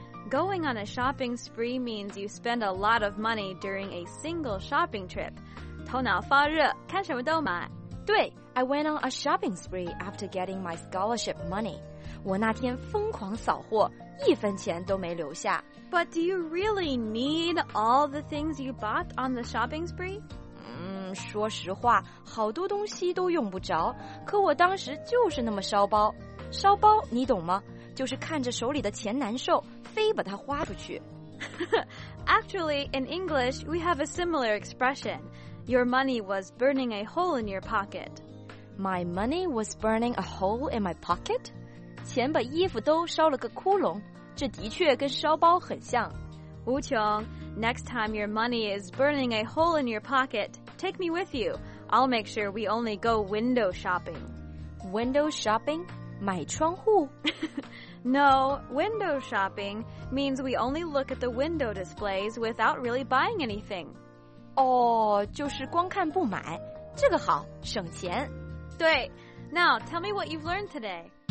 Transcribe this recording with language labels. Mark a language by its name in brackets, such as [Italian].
[English] Going on a shopping spree means you spend a lot of money during a single shopping trip. [Chinese] 头脑发热，看什么都买。 [English] 对， I went on a shopping spree after getting my scholarship money. [Chinese] 我那天疯狂扫货，一分钱都没留下。 [English] But do you really need all the things you bought on the shopping spree? [Chinese] 说实话，好多东西都用不着，可我当时就是那么烧包。烧包，你懂吗？就是看着手里的钱难受，非把它花出去。 [English] Actually, in English, we have a similar expression. Your money was burning a hole in your pocket. My money was burning a hole in my pocket? [Chinese] 钱把衣服都烧了个窟窿，这的确跟烧包很像。 [English] 吴琼 ，next time your money is burning a hole in your pocket, take me with you. I'll make sure we only go window shopping. Window shopping? [Chinese] 买窗户 [English] ？No, window shopping means we only look at the window displays without really buying anything. [Chinese] 哦，就是光看不买，这个好，省钱。 [English] 对 ，Now tell me what you've learned today.